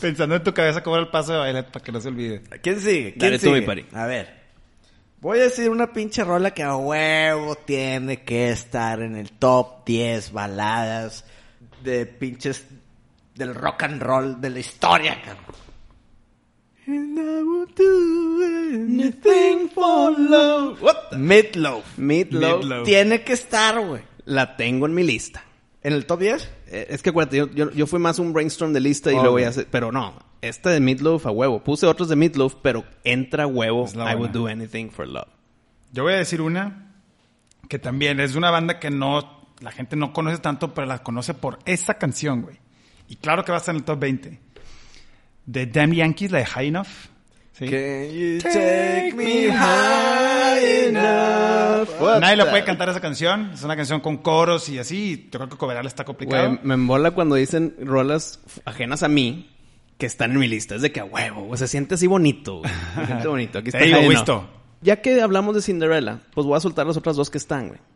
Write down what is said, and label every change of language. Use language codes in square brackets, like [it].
[es] Pensando en tu cabeza cómo era el paso de bailar para que no se olvide. ¿Quién sigue? ¿Quién sigue? Dale tú, mi pari. A ver. Voy a decir una pinche rola que a huevo tiene que estar en el top 10 baladas de pinches del rock and roll de la historia, cabrón. [en] And I would do anything for love. What the? Meatloaf. Meatloaf. [es] Tiene que estar, güey. La tengo en mi lista. ¿En el top 10? Es que acuérdate, yo fui más un brainstorm de lista y luego ya sé. Pero no, este de Meatloaf a huevo. Puse otros de Meatloaf, pero entra huevo. [en] I would do anything for love. [es] Yo voy a decir una que también es una banda que no, la gente no conoce tanto, pero la conoce por esta canción, güey. Y claro que va a estar en el top 20. De Damn Yankees, la de High Enough. ¿Sí? [en] Can you take me high enough? [es] What's nadie le puede cantar esa canción. Es una canción con coros y así. Yo creo que coverarla está complicado. Wey, me embola cuando dicen rolas ajenas a mí que están en mi lista. Es de que a huevo. O sea, siente así bonito. Se siente bonito. Aquí está. Hey, High visto. Ya que hablamos de Cinderella, pues voy a soltar las otras dos que están, güey.